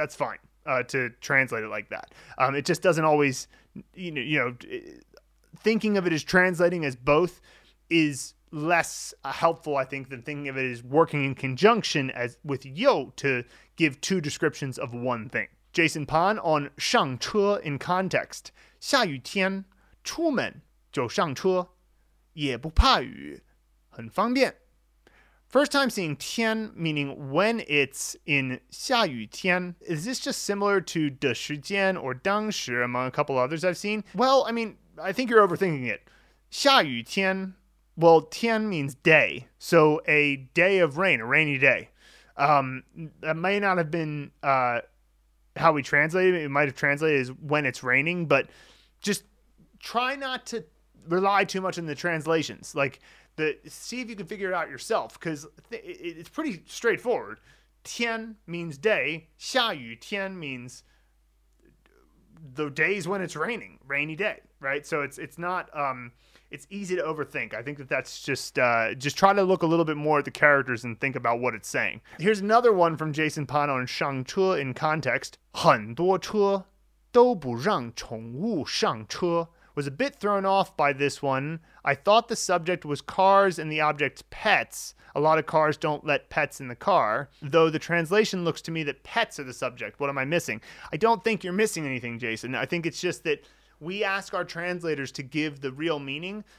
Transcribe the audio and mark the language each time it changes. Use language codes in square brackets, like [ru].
[en] That's fine to translate it like that. It just doesn't always, you know, thinking of it as translating as both is less helpful, I think, than thinking of it as working in conjunction as with yo to give two descriptions of one thing. Jason Pan on 上车 in context. [zh] 下雨天出门就上车，也不怕雨，很方便. [en] First time seeing 天, meaning when it's in 下雨天, is this just similar to 的时间 or 当时 among a couple others I've seen? Well, I mean, I think you're overthinking it. 下雨天, well, 天 means day, so a day of rain, a rainy day. That may not have been how we translated it. It might have translated as when it's raining, but just try not to rely too much on the translations. Like, see if you can figure it out yourself, because it's pretty straightforward. 天 means day. 下雨天 means the days when it's raining, rainy day, right? So it's not, it's easy to overthink. I think that's just try to look a little bit more at the characters and think about what it's saying. Here's another one from Jason Pan on 上车 in context. [zh] 很多车都不让宠物上车. [en] Was a bit thrown off by this one. I thought the subject was cars and the object pets. A lot of cars don't let pets in the car. Though the translation looks to me that pets are the subject. What am I missing? I don't think you're missing anything, Jason. I think it's just that we ask our translators to give the real meaning.